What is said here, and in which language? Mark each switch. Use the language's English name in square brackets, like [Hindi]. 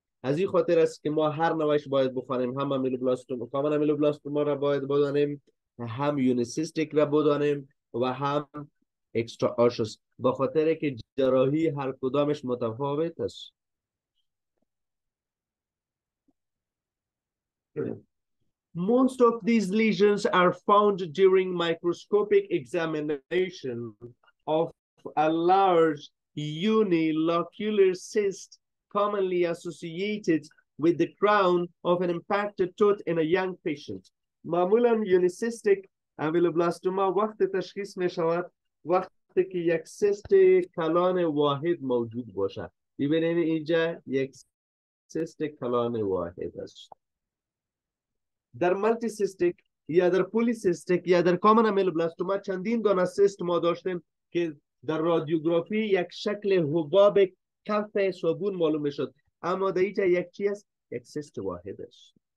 [Persian] از این خاطر است که ما هر نوعش باید بخوانیم، هم امیلوبلاستوما کامن امیلوبلاستوما را باید بدانیم، هم یونیسیستیک را بدانیم و هم اکسترا آشوس، با خاطر که جراحی هر کدامش متفاوت است. [English] Most of these lesions are found during microscopic examination of a large unilocular cyst commonly associated with the crown of an impacted tooth in a young patient. [Persian] معمولاً یونیسیستیک امیلوبلاستوما وقت تشخیص می شود وقتی که یک سیست کلان واحد موجود باشد. ببینید اینجا یک سیست کلان واحد است. در ملتی سیستیک یا در پولی سیستیک یا در کامن امیلوبلاستوما چندین گونه سیست ما داشتیم که در رادیوگرافی یک شکل حباب کف صابون معلوم شد، اما در اینجا یک چی است؟ یک سیست واحد است.